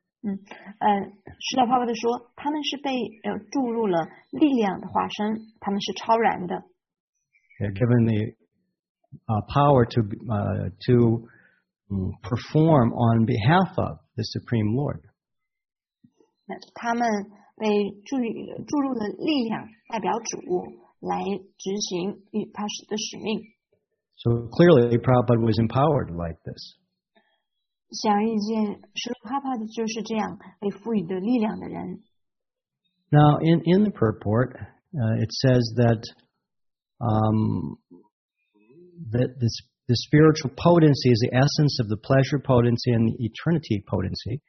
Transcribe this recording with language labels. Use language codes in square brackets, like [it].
[zh] Srila Prabhupada 说他们是被注入了力量的化身，他们是超然的。 [en] They're given the power to perform on behalf of the Supreme Lord. [zh] 他们被注入了力量，代表主来执行他的使命。 [en] So clearly, Prabhupada was empowered like this. [zh] 显而易见，释迦牟尼佛就是这样被赋予的力量的人。 [en] Now, in the purport, it says that the spiritual potency is the essence of the pleasure potency and the eternity potency.